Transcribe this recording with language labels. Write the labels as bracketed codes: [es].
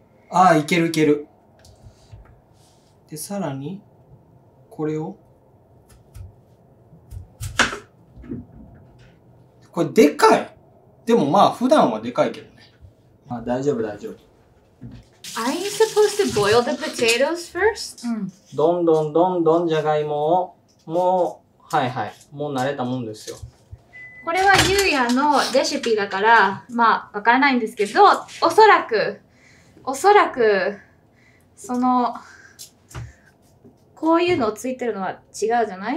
[ja] ああ、いけるいける。で、さらに、これを。これでかい。でもまあ、普段はでかいけど。あ、大丈夫大丈夫。 [en] Are you supposed to boil the potatoes first? [ja] うん。どんどんどんどんじゃがいもを、もう、はいはい、もう慣れたもんですよ。これはゆうやのレシピだから、まあ、わからないんですけど、おそらく、その、こういうのついてるのは違うじゃない？